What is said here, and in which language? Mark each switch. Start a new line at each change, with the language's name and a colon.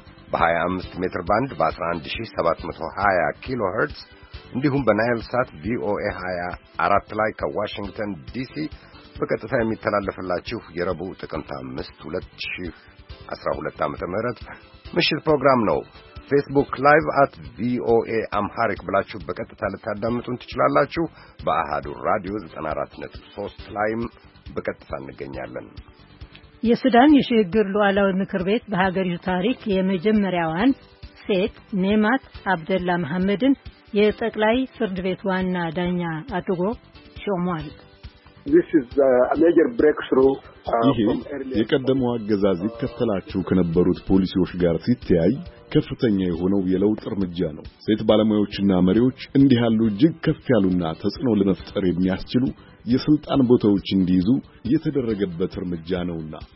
Amharic: በ25 ሜትር ባንድ በ11720 ኪሎ ሄርትስ እንዲሁም በናይል ሳት ቪኦኤ 24 ላይ ከዋሽንግተን ዲሲ በቀጥታ የሚተላለፍላችሁ የረቡዕ ጥቅምት 5/2012 ዓመተ ምህረት ምሽት ፕሮግራም ነው። Facebook Live at VOA አምሃሪክ ብላችሁ በቀጥታ ልታዳምጡን ትችላላችሁ። በአሃዱ ራዲዮ 94.3 ላይም በቀጥታ እንገኛለን። የሱዳን የሽግግር ሉዓላዊ ምክር ቤት በሀገሪቱ ታሪክ የመጀመሪያዋን ሴት ኔማት አብደላ መሐመድን የጠቅላይ ፍርድ ቤት ዋና ዳኛ አድርጎ ሾሟል።
English: This is a major breakthrough from earlier.
Amharic: የቀደመው አገዛዝ ይከተላቸው ከነበሩት ፖሊሲዎች ጋር ሲተያይ ከፍተኛ የሆነው የለውጥ እርምጃ ነው። ሴት ባለሙያዎችና መሪዎች እንዲህ ያሉ ጅግ ከፍ ያሉና ተጽዕኖ ለመፍጠር የሚያስችሉ የስልጣን ቦታዎች እንዲይዙ የተደረገበት እርምጃ ነውና።